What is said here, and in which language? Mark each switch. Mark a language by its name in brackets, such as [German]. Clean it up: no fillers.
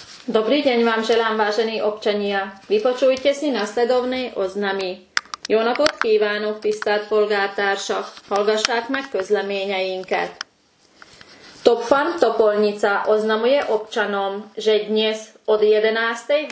[Slovak] Dobrý deň vám želám, vážení občania. Vypočujte si nasledovné oznamy. [Hungarian] Jó napot kívánok, tisztelt polgártársak! Hallgassák meg közleményeinket! [Slovak] Topfan Topolnica oznamuje občanom, že dnes od 11.